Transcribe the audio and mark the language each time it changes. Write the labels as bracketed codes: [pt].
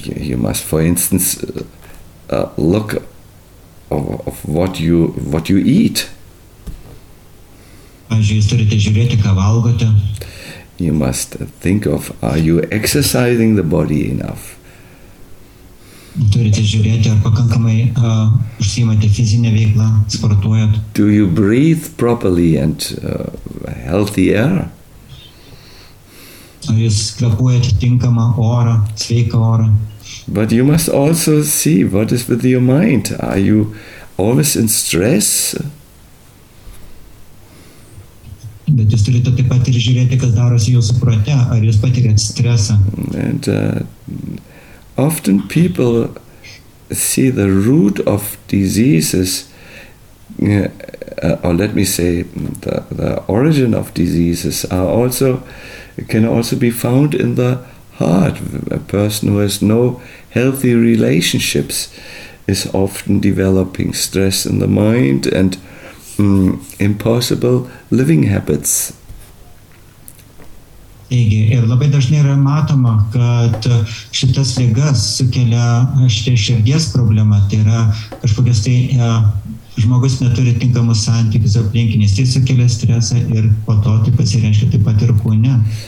[en] You must, for instance, look of what you eat. [lt] Pavyzdžiui, jūs turite žiūrėti, ką valgote. [en] You must think of, are you exercising the body enough? [lt] Turite žiūrėti, ar pakankamai užsiimate fizinę veiklą, sportuojat. [en] Do you breathe properly and healthy air? [lt] Ar jūs kvepuojate tinkamą orą, sveiką orą? [en] But you must also see what is with your mind. Are you always in stress? [lt] Bet jūs turite taip pat ir žiūrėti, kas darosi jūsų prote, ar jūs patiriate stresą? [en] And often people see the root of diseases, or let me say, the origin of diseases are also, can also be found in the heart. A person who has no healthy relationships is often developing stress in the mind and impossible living habits. [lt] Taigi, ir labai dažnai yra matoma, kad šitas ligas sukelia širdies problemą, tai yra kažkokias tai žmogus neturi tinkamus santykius aplinkinės, tai sukelia stresą ir po to tai pasireiškia taip pat ir kūne.